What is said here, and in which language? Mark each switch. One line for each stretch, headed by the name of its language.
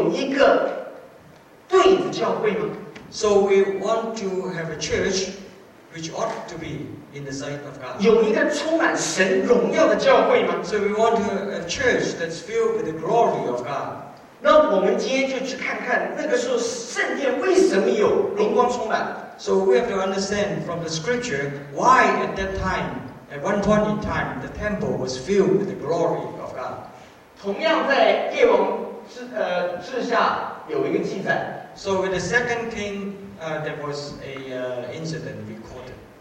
Chinese: 我们希望有一个对的教会吗?
English: So we want to have a church which ought to be in the sight of God.
Chinese: 有一个充满神荣耀的教会吗?
English: So we want a church that's filled with the glory of God.
Chinese: 那我们今天就去看看那个时候圣殿为什么有荣光充满?
English: So we have to understand from the scripture why at that time, at one point in time, the temple was filled with the glory of God.
Chinese: 同样在列王治下有一个记载,
English: so with the second king, there was an incident recorded.